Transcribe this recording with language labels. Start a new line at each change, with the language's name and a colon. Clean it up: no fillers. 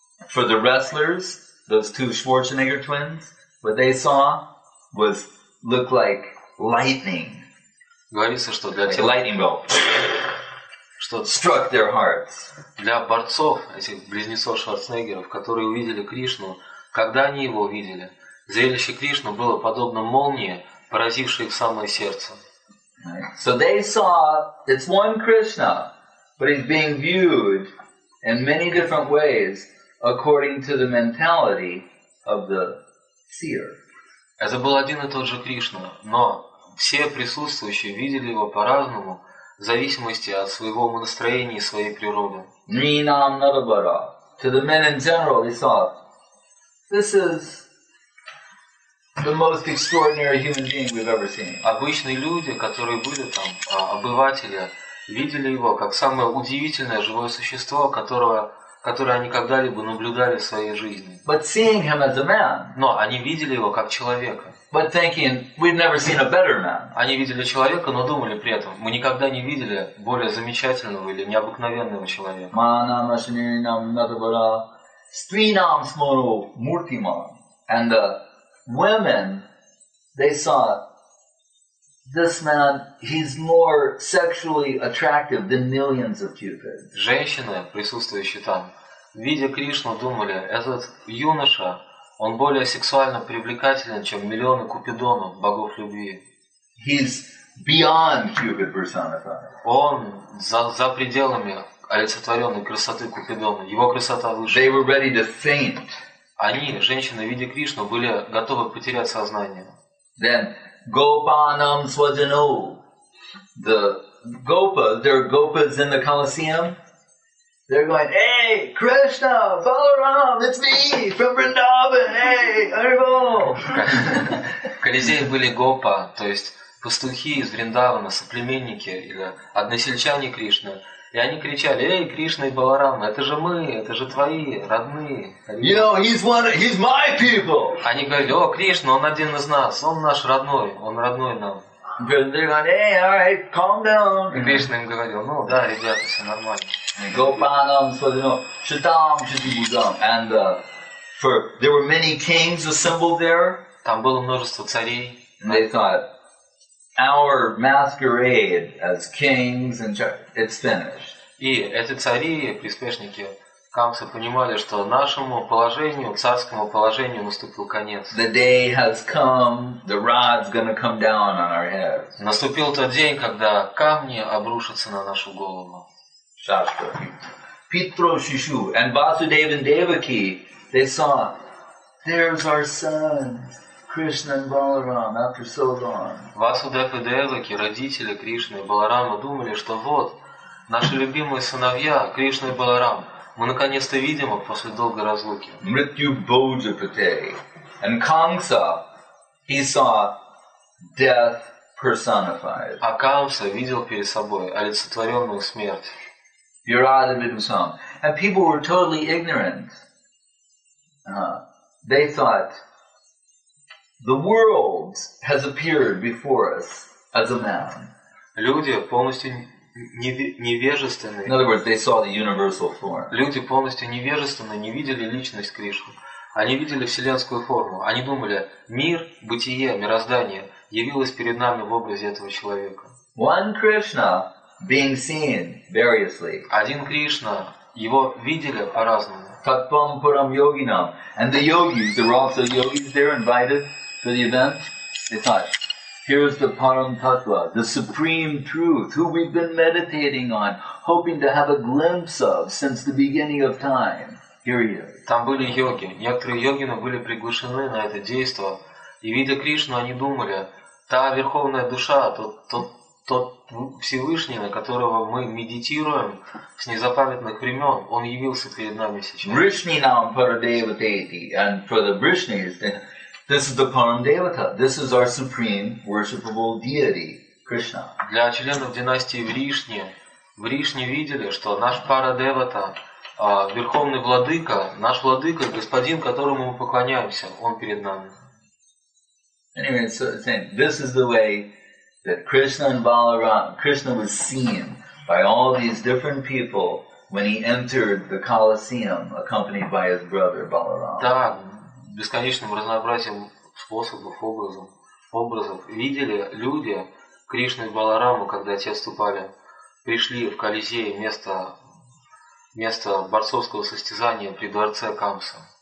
English: For the wrestlers, those two Schwarzenegger twins, what they saw was looked like lightning.
Russian: Говорится, что для тебя
English: lightning bolt.
Russian: Что
English: struck their hearts.
Russian: Для борцов, этих близнецов Шварценеггеров, которые увидели Кришну, когда они его увидели, зрелище Кришны было подобно молнии, поразившей их в самое сердце.
English: Right. So they saw it's one Krishna, but he's being viewed in many different ways according to the mentality of the seer.
Russian: Это был один и тот же Кришна, но все присутствующие видели его по-разному, в зависимости от своего настроения и своей природы.
Sanskrit: Nrinam Nadavara.
English: To the men in general, he thought, this is the most extraordinary human being we've ever seen.
Russian: Обычные люди, которые были там, обыватели, видели его как самое удивительное живое существо, которое они когда-либо наблюдали в своей жизни.
English: But seeing him as a man.
Russian: Но они видели его как человека.
English: But thinking, we've never seen a better man.
Russian: Они видели человека, но думали при этом, мы никогда не видели более замечательного или необыкновенного человека.
Sanskrit: Манам ашанинам натабара стринам смору муртима.
English: And the women, they saw this man, he's more sexually attractive than millions of cupids.
Russian: Женщины, присутствующие там, видя Кришну, думали, этот юноша, он более сексуально привлекателен, чем миллионы купидонов, богов любви. He's beyond Cupid personified. Он за пределами олицетворенной красоты купидона. Его красота выше.
English: They were ready to faint.
Russian: Они, женщины, видя Кришну, были готовы потерять сознание.
Sanskrit: Then gopanam svajano.
English: The gopas, there are gopas in the Colosseum. They're going, hey, Krishna, Balaram, it's me from Vrindavan, hey, Arivo.
Russian: В Колизее были гопа, то есть пастухи из Вриндавана, соплеменники или односельчане Кришны. И они кричали, эй, Кришна и Баларам, это же мы, это же твои, родные.
English: You know, he's my people.
Russian: Они говорили, о, Кришна, он один из нас, он наш родной, он родной нам.
English: They're going, hey, all right, calm down.
Russian: И Кришна им говорил, ну да, ребята, все нормально.
Sanskrit: Gopanam svajano shatam shatibudam.
English: And there were many kings assembled there.
Russian: Там было множество царей.
English: And they thought, our masquerade as kings and it's finished.
Russian: И эти цари, приспешники Камсы, понимали, что нашему положению, царскому положению наступил конец.
English: The day has come, the rod's gonna come down on our heads.
Russian: Наступил тот день, когда камни обрушатся на нашу голову.
Sanskrit: Шашка. Питро Шишу.
English: And Vasudeva and Devaki, they saw, there's our sons. Krishna and Balaram after so long.
Russian: Васудев и Деваки, родители Кришны и Баларама, думали, что вот наши любимые сыновья Кришна и Баларам, мы наконец-то видим их после долгой разлуки.
Sanskrit: Mrityu Bhojapate.
English: And Kamsa, he saw death personified.
Russian: А Камса видел перед собой олицетворенную смерть.
Sanskrit: Virada Vidusam.
English: And people were totally ignorant. They thought, the world has appeared before us as a man.
Russian: Люди полностью невежественные.
English: In other words, they saw the universal form.
Russian: Люди полностью невежественные, не видели личность Кришны. Они видели вселенскую форму. Они думали, мир, бытие, мироздание явилось перед нами в образе этого человека.
English: One Krishna being seen variously.
Russian: Один Кришна его видели по-разному.
Sanskrit: Tat pam param yoginam.
English: And the yogis, there were also yogis there invited to the event. They thought, here's the param tattva, the supreme truth, who we've been meditating on, hoping to have a glimpse of since the beginning of time. Here he is.
Russian: Там были йоги. Некоторые йогины были приглашены на это действо. И видя Кришну, они думали, та Верховная Душа, тот Всевышний, на которого мы медитируем с незапамятных времен, он явился перед нами сейчас.
Sanskrit: Vrishni nam paradeva deity.
English: And for the Vrishnis, this is the Parandevata. This is our supreme worshipable deity, Krishna.
Russian: Для членов династии Вришни, Вришни видели, что наш Парадевата, Верховный Владыка, наш Владыка, Господин, которому мы поклоняемся, он перед нами.
English: Anyway, so this is the way that Krishna and Balaram, Krishna was seen by all these different people when he entered the Colosseum, accompanied by his brother Balaram.
Russian: Да, бесконечным разнообразием способов, образов видели люди Кришну и Баларама, когда те вступали, пришли в Колизей, место борцовского состязания при дворце Камса.